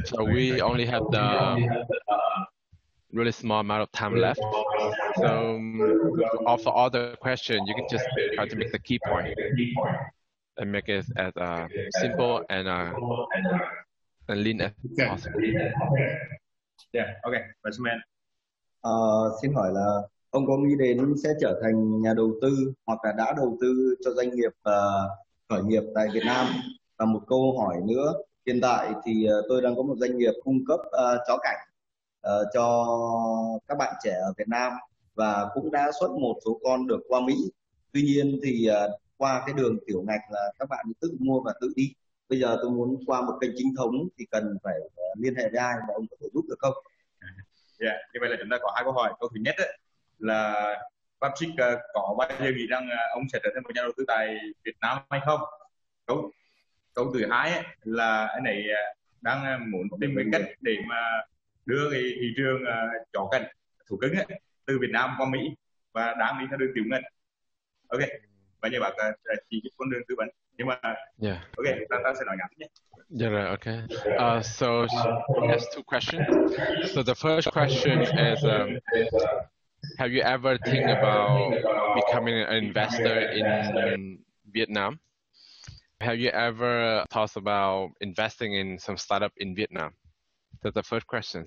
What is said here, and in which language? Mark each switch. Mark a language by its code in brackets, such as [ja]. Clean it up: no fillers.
[en] So we only have the really small amount of time left. So of all the questions, you can just try to make the key point and make it as simple and lean as possible. Yeah, okay. What's your man? [vi] Xin hỏi là ông có nghĩ đến sẽ trở thành nhà đầu tư hoặc là đã đầu tư cho doanh nghiệp khởi nghiệp tại Việt Nam? Và một câu hỏi nữa. Hiện tại thì tôi đang có một doanh nghiệp cung cấp chó cảnh cho các bạn trẻ ở Việt Nam và cũng đã xuất một số con được qua Mỹ. Tuy nhiên thì qua cái đường tiểu ngạch là các bạn tự mua và tự đi. Bây giờ tôi muốn qua một kênh chính thống thì cần phải liên hệ với ai và ông có thể giúp được không? Yeah, như vậy là chúng ta có hai câu hỏi. Câu thứ nhất ấy, là Patrick có bao giờ nghĩ rằng ông sẽ trở thành một nhà đầu tư tại Việt Nam hay không? Đúng. Câu thứ hai ấy, là anh ấy đang muốn tìm cái cách để mà đưa cái thị trường chó cảnh thủ cứng ấy, từ Việt Nam qua Mỹ và đang đi theo đường tiểu ngạch. Ok, và như bạn chỉ cái con đường tư vấn. Nhưng mà yeah. Ok, chúng ta sẽ nói ngắn nhé. [en] Yeah, right, okay. So he has two questions. So the first question is, have you ever think about becoming an investor in Vietnam? Have you ever thought about investing in some startup in Vietnam? That's the first question.